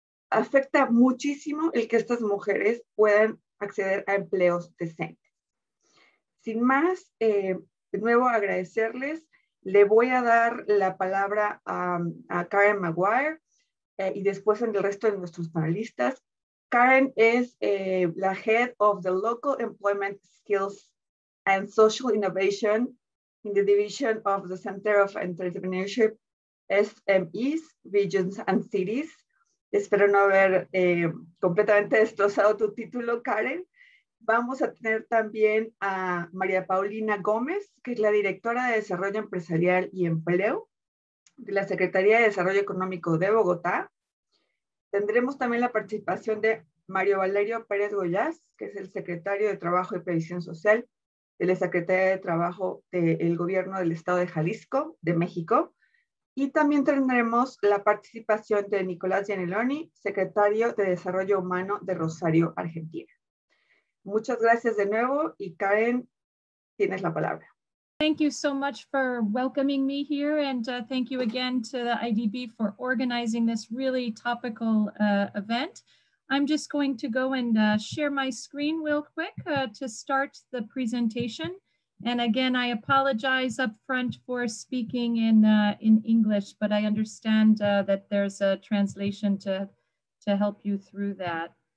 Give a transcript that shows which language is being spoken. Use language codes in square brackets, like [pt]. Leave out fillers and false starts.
[es] Afecta muchísimo el que estas mujeres puedan acceder a empleos decentes. Sin más, de nuevo agradecerles. Le voy a dar la palabra a Karen Maguire y después al resto de nuestros panelistas. Karen es la Head of the Local Employment Skills and Social Innovation in the Division of the Center of Entrepreneurship, SMEs, Regions and Cities. Espero no haber completamente destrozado tu título, Karen. Vamos a tener también a María Paulina Gómez, que es la directora de Desarrollo Empresarial y Empleo de la Secretaría de Desarrollo Económico de Bogotá. Tendremos también la participación de Mario Valerio Pérez Goyaz, que es el secretario de Trabajo y Previsión Social de la Secretaría de Trabajo del Gobierno del Estado de Jalisco, de México. Y también tendremos la participación de Nicolás Gianelloni, secretario de Desarrollo Humano de Rosario, Argentina. Muchas gracias de nuevo y Karen, tienes la palabra. [en] Thank you so much for welcoming me here and thank you again to the IDB for organizing this really topical event. I'm just going to go and share my screen real quick to start the presentation. And again, I apologize up front for speaking in English, but I understand that there's a translation to help you through that.